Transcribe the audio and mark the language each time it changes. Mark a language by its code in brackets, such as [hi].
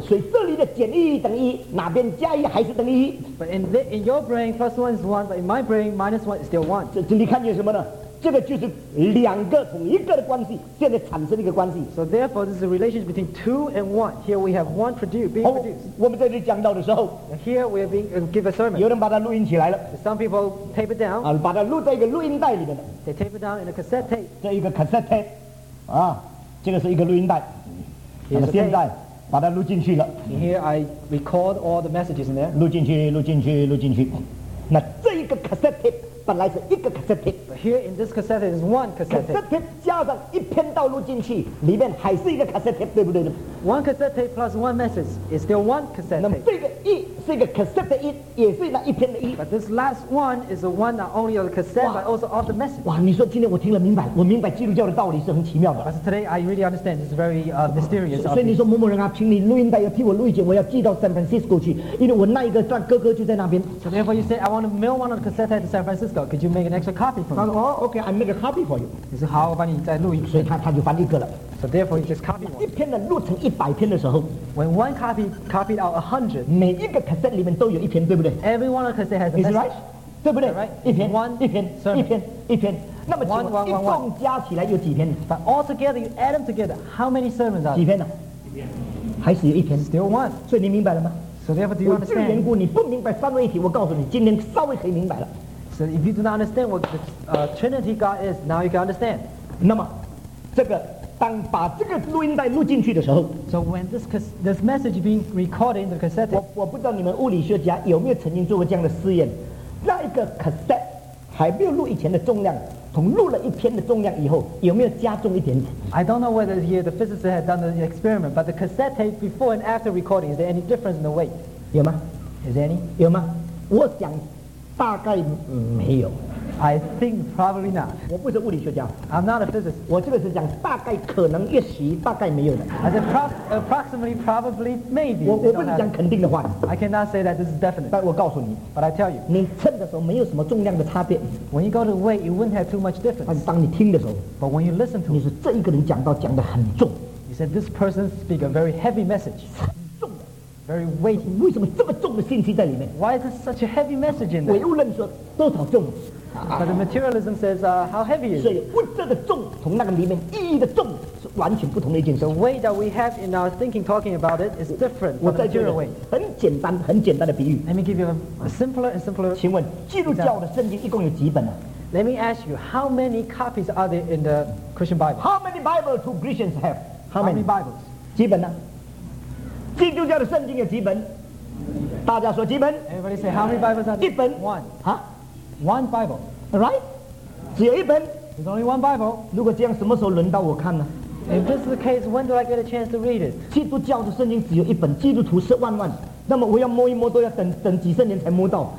[zh] 所以这里的减一等于一，哪边加一还是等于一。 [en] But in your brain, plus one is one, but in my brain, minus one is still one. [zh] 这你看见什么呢？这个就是两个同一个的关系，现在产生一个关系。 [en] So therefore, this is a relationship between two and one. Here we have one produced, being produced. [zh] 我们在这里讲到的时候， [en] here we are being give a sermon. [zh] 有人把它录音起来了。 [en] Some people tape it down. [zh] 把它录在一个录音带里面的。 [en] They tape it down in a cassette tape. [zh] 这一个 cassette tape, 这个是一个录音带。那么现在把它录进去了。 [en] Here I record all the messages in there. [zh] 录进去。那这一个 cassette tape 本来是一个 cassette tape。 [en] Here in this cassette is one cassette tape. [zh] Cassette tape 加上一篇道录进去，里面还是一个 cassette tape， 对不对？ [en] One cassette tape plus one message is still one cassette tape. [zh] 那么这个一是一个 cassette 的一，也是那一篇的一。 [en] But this last one is the one not only of the cassette but also of the message. [zh] 哇，你说今天我听了明白，我明白基督教的道理是很奇妙的。 [en] But today I really understand. It's very mysterious. [zh] 所以你说某某人啊，请你录音带要替我录一卷，我要寄到 San Francisco 去，因为我那一个段哥哥就在那边。 [en] So therefore you say I want to mail one of the cassette tape to San Francisco. Could you make an extra copy for me? Okay, I make a copy for you. [zh] 你说好，我帮你再录一遍。所以他就翻一个了。 [en] So therefore, you just copy one. [zh] 一篇的录成一百篇的时候， [en] when one copy copied out 100, [zh] 每一个 cassette 里面都有一篇，对不对？ [en] Every one of the cassette has a message. Is it right? [zh] 对不对？ [en] Right? [zh] 一篇，那么请问，一共加起来有几篇？ [en] But all together, you add them together. How many sermons are there? [zh] 几篇呢？还是有一篇。 [en] Still one. [zh] 所以你明白了吗？ [en] So therefore, do you understand? [zh] 我这个缘故，你不明白三位一体，我告诉你，今天稍微可以明白了。 [en] So if you do not understand what the Trinity God is, now you can understand. [zh] 那么，这个当把这个录音带录进去的时候， [en] so when this message being recorded in the cassette, [zh] 我不知道你们物理学家有没有曾经做过这样的试验，那一个 cassette 还没有录以前的重量，同录了一篇的重量以后，有没有加重一点点？ [en] I don't know whether here the physicist had done the experiment, but the cassette tape before and after recording, is there any difference in the weight? [zh] 有吗？ [en] Is there any? [zh] 有吗？我想。大概没有。 [en] I think probably not. [zh] 我不是物理学家。 [en] I'm not a physicist. [zh] 我这个是讲大概可能也许大概没有的。 [en] I said approximately, probably, maybe. [zh] 我不是讲肯定的话。 [en] I cannot say that this is definite. [zh] 但我告诉你。 [en] But I tell you. [zh] 你称的时候没有什么重量的差别。 [en] When you go to weight, you wouldn't have too much difference. [zh] 但当你听的时候。 [en] But when you listen to [zh] 你说这一个人讲到讲得很重。 [en] You said this person speak a very heavy message. Very weighty. [zh] 为什么这么重的信息在里面？ [en] Why is this such a heavy message in there? [zh] 唯物论说多少重？ [en] But the materialism says, how heavy is it? [zh] 所以物质的重，从那个里面意义的重，是完全不同的一件事。 [en] The weight that we have in our thinking, talking about it, is different from the material weight. [zh] 很简单的比喻。 [en] Let me give you a simpler and simpler. [zh] 请问基督教的圣经一共有几本呢？ [en] Let me ask you, how many copies are there in the Christian Bible? How many Bibles do Christians have? How many Bibles? [zh] 几本呢？基督教的圣经有几本？大家说几本？ [en] Everybody say how many Bibles are there? [zh] 一本。 [en] One Bible. Right? [zh] 只有一本。 [en] There's only one Bible. [zh] 如果这样什么时候轮到我看呢？ [en] If this is the case, when do I get a chance to read it? [zh] 基督教的圣经只有一本， 基督徒10,000,000。那么我要摸一摸都要等几十年才摸到，